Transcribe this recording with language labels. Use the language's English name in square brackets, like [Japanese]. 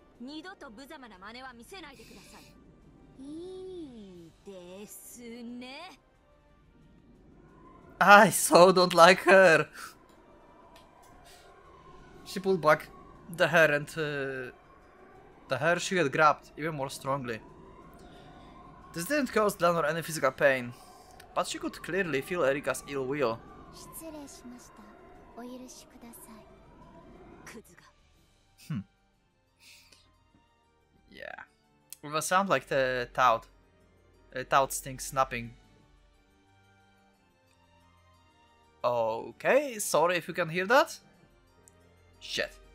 [Japanese] 二度と無様な真似は見せないでください。いいですね。 [English] I so don't like her. She pulled back the hair and the hair she had grabbed even more strongly. This didn't cause Danor any physical pain, but she could clearly feel Erika's ill will. [Japanese] 失礼しました。お許しください。クズが。 [English] Yeah, with a sound like the tout sting snapping. Okay, sorry if you can hear that. Shit.